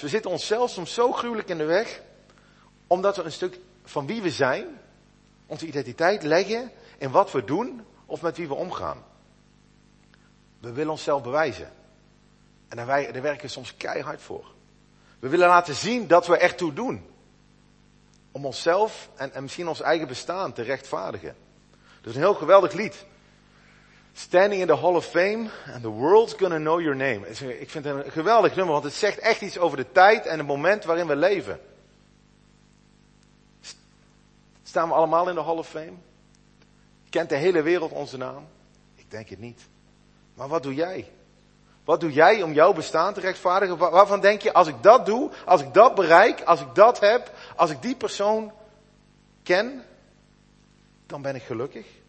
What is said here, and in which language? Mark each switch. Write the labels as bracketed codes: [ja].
[nl] We zitten onszelf soms zo gruwelijk in de weg. Omdat we een stuk van wie we zijn, onze identiteit leggen in wat we doen of met wie we omgaan. We willen onszelf bewijzen. En daar werken we soms keihard voor. We willen laten zien dat we ertoe doen. Om onszelf en misschien ons eigen bestaan te rechtvaardigen. Dat is een heel geweldig lied. [en] Standing in the Hall of Fame and the world's gonna know your name. [nl] Ik vind het een geweldig nummer, want het zegt echt iets over de tijd en het moment waarin we leven. Staan we allemaal in de Hall of Fame? Kent de hele wereld onze naam? Ik denk het niet. Maar wat doe jij? Wat doe jij om jouw bestaan te rechtvaardigen? Waarvan denk je, als ik dat doe, als ik dat bereik, als ik dat heb, als ik die persoon ken, dan ben ik gelukkig.